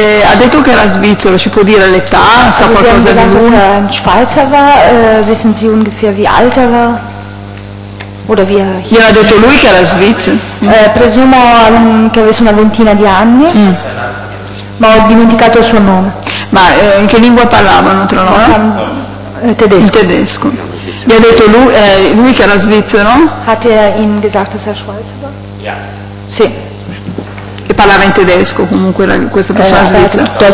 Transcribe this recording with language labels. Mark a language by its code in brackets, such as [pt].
[it] Ha detto che era svizzero, ci può dire l'età, sa [de] also [it] qualcosa di lui? Se in Svizzera era, [de] wissen Sie ungefähr wie alt er war? Oder wie er hieß? [it] Ha detto lui che era svizzero. Mm. Presumo che avesse una ventina di anni, mm. Ma ho dimenticato il suo nome. Ma in che lingua parlavano tra loro? Tedesco. In tedesco. Mi ha detto lui che era svizzero? [de] Hat er ihm gesagt, dass er Schweizer war? Ja. [it] Sì. E parlava in tedesco comunque questa persona svizzera?